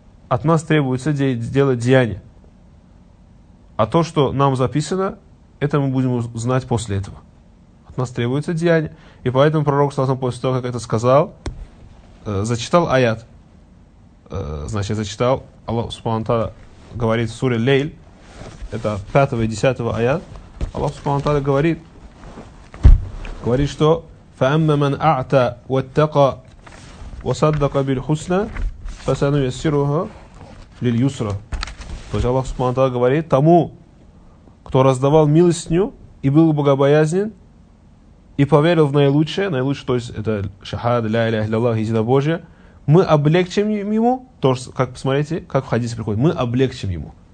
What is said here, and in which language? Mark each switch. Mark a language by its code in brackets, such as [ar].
[ru] От нас требуется делать деяния. А то, что нам записано, это мы будем узнать после этого. От нас требуется деяния. И поэтому пророк, саллаллаху алейхи ва саллям, после того, как это сказал, зачитал аят. Значит, зачитал. Аллах Субхану Тааля говорит в суре Лейль. Это 5 и 10 аят. Аллах Субхану Тааля говорит, что [ar] فَأَمَّ مَنْ أَعْتَى وَاتَّقَى وَصَدَّقَ بِالْحُسْنَ فَسَنُيَسِّرُهُ لِلْيُسْرَ. [ru] То есть Аллах Субхану Тааля говорит, тому, кто раздавал милостыню и был богобоязнен, и поверил в наилучшее, то есть это шахад, [ar] ля иля илляллах, [ru] единобожие, мы облегчим ему, то, как посмотрите, как в хадисе приходит, мы облегчим ему.